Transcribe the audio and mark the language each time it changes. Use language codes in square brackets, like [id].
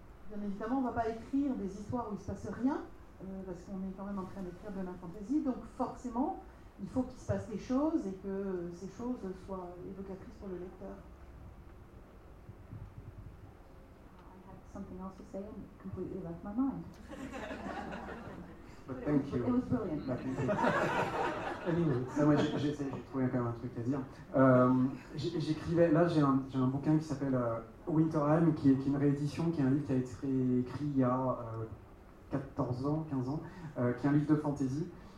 [fr] Bien évidemment, on ne va pas écrire des histoires où il ne se passe rien, parce qu'on est quand même en train d'écrire de la fantasy. Donc forcément, il faut qu'il se passe des choses et que ces choses soient évocatrices pour le lecteur. [en] Something else to say and completely left my mind. But thank you. It was brilliant. [fr] Anyway, j'ai trouvé quand même un truc à dire. J'écrivais, là j'ai un bouquin qui s'appelle Winterhelm, qui est une réédition, qui est un livre qui a été écrit il y a 14 ans, 15 ans, qui est un livre de fantasy.